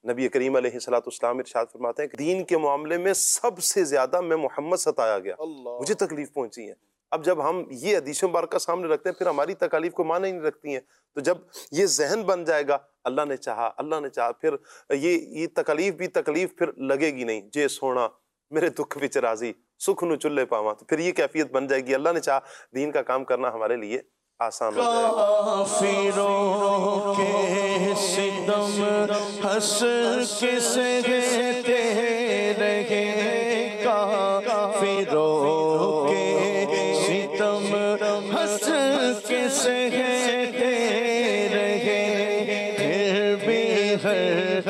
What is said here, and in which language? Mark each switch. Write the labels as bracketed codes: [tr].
[ur] نبی کریم علیہ الصلوۃ والسلام ارشاد فرماتے ہیں کہ دین کے معاملے میں سب سے زیادہ میں محمد ستایا گیا, مجھے تکلیف پہنچی ہے. اب جب ہم یہ حدیث مبارکہ کا سامنے رکھتے ہیں پھر ہماری تکالیف کو معنی نہیں رکھتی ہیں, تو جب یہ ذہن بن جائے گا اللہ نے چاہا اللہ نے چاہا, پھر یہ تکلیف بھی تکلیف پھر لگے گی نہیں. [pa] جے سونا میرے دکھ وچ راضی سکھ نو چلے پاواں, [ur] تو پھر یہ کیفیت بن جائے گی. اللہ نے چاہا دین کا کام کرنا ہمارے لیے آسان ہو جائے گا. کافروں کے ستم ہس کے سہتے رہے, کافروں کے ستم ہس کے سہتے رہے, پھر بھی ہر